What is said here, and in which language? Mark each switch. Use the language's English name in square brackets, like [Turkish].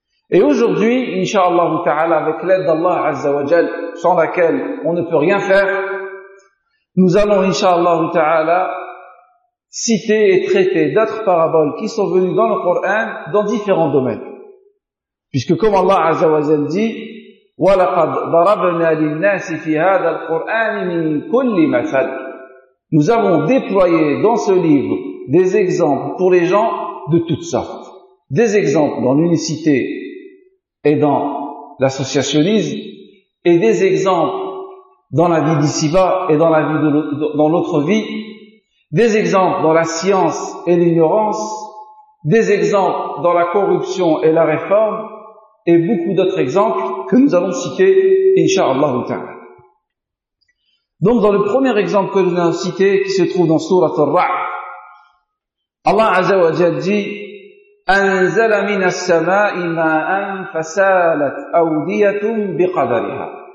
[French] Et aujourd'hui, inshallah ta'ala, avec l'aide d'Allah Azza wa Jal, sans laquelle on ne peut rien faire, nous allons inshallah ta'ala cité et traité d'autres paraboles qui sont venues dans le Coran dans différents domaines. Puisque comme Allah Azza wa Jalla dit, [Arabic] وَلَقَدْ ضَرَبْنَا لِلنَّاسِ فِي هَذَا الْقُرْآنِ مِنْ كُلِّ مَثَلٍ. [French] Nous avons déployé dans ce livre des exemples pour les gens de toutes sortes. Des exemples dans l'unicité et dans l'associationnisme, et des exemples dans la vie d'ici-bas et dans la vie de dans l'autre vie, des exemples dans la science et l'ignorance, des exemples dans la corruption et la réforme, et beaucoup d'autres exemples que nous allons citer, Inch'Allah. Donc dans le premier exemple que nous allons citer, qui se trouve dans Sourate Ar-Ra'd, Allah Azza wa Jalla dit [Arabic] أنزل من السماء ماء فسالت أودية بقدرها